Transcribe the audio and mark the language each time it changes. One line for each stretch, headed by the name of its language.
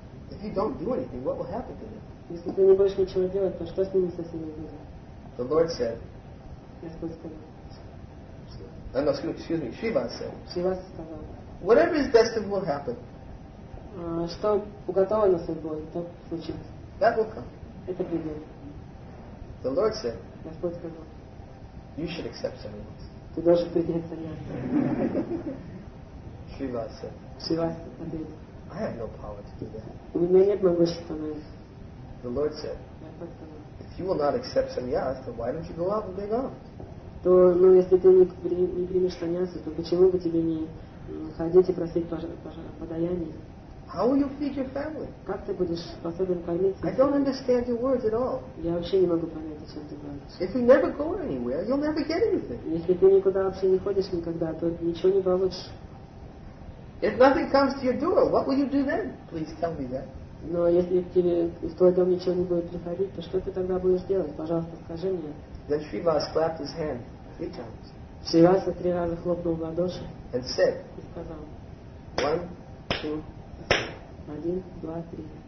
English: If you don't do anything, what will happen to them?
Russian: Если ты не будешь ничего делать, то что с ними со всеми будет?
English: The Lord said,
Russian: Господь сказал,
English: no, excuse me, Shiva said.
Russian: Shiva сказал.
English: Whatever is destined will happen.
Russian: Что уготовано судьбой, то случится.
English: That will come.
Russian: Это придет.
English: The Lord said.
Russian: Господь сказал.
English: You should accept someone.
Russian: Ты должен принять меня.
English: Shiva said.
Russian: Shiva ответил.
English: I have no power to do that.
Russian: У меня нет могущества на это.
English: The Lord said.
Russian: Господь сказал.
English: If you will not accept sannyas, then why don't you go out and dig up?
Russian: То, ну, если ты не примешь саньясу, то почему бы тебе не ходить и просить подаяние?
English: How will you feed your family?
Russian: Как ты будешь способен кормить себя?
English: I don't understand your words at all.
Russian: Я вообще не могу понять, о чем ты говоришь.
English: If you never go anywhere, you'll never get anything.
Russian: Если ты никуда вообще не ходишь никогда, то ничего не получишь.
English: If nothing comes to your door, what will you do then? Please tell me that.
Russian: Но если к тебе в твой дом ничего не будет приходить, то что ты тогда будешь делать? Пожалуйста, скажи мне.
English: Then Shrivas clapped his hand three times.
Russian: Shrivas три раза хлопнул в ладоши.
English: And said.
Russian: И сказал.
English: One, two, three.
Russian: Один, два, три.